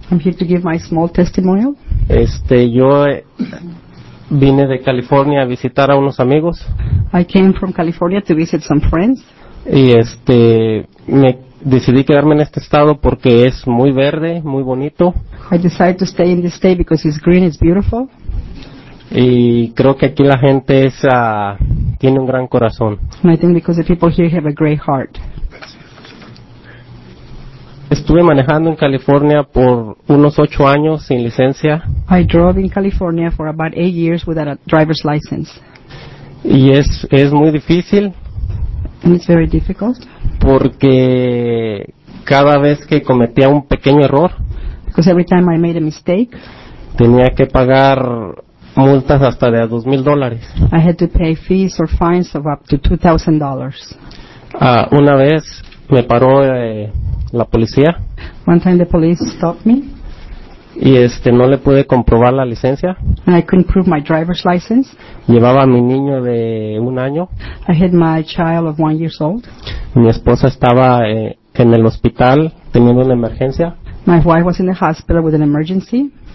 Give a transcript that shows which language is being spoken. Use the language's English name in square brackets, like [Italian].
[English] I'm here to give my small testimonial. [Spanish] Yo vine de California a visitar a unos amigos. [English] I came from California to visit some friends. [Spanish] Y me decidí quedarme en este estado porque es muy verde, muy bonito. [English] I decided to stay in this state because it's green, it's beautiful. [Spanish] Y creo que aquí la gente es tiene un gran corazón. [English] I think because the people here have a great heart. [Spanish] Estuve manejando en California por unos 8 años sin licencia. [English] I drove in California for about 8 years without a driver's license. [Spanish] Y es muy difícil. [English] And it's very difficult. [Spanish] Porque cada vez que cometía un pequeño error. [English] Because every time I made a mistake. [Spanish] Tenía que pagar multas hasta de $2,000. [English] I had to pay fees or fines of up to $2,000. [Spanish] Una vez me paró la policía. [English] One time the police stopped me. [Spanish] Y no le pude comprobar la licencia. [English] And I couldn't prove my driver's license. [Spanish] Llevaba a mi niño de 1 año. [English] I had my child of 1 year old. [Spanish] Mi esposa estaba en el hospital teniendo una emergencia. [English] My wife was in the hospital with an emergency.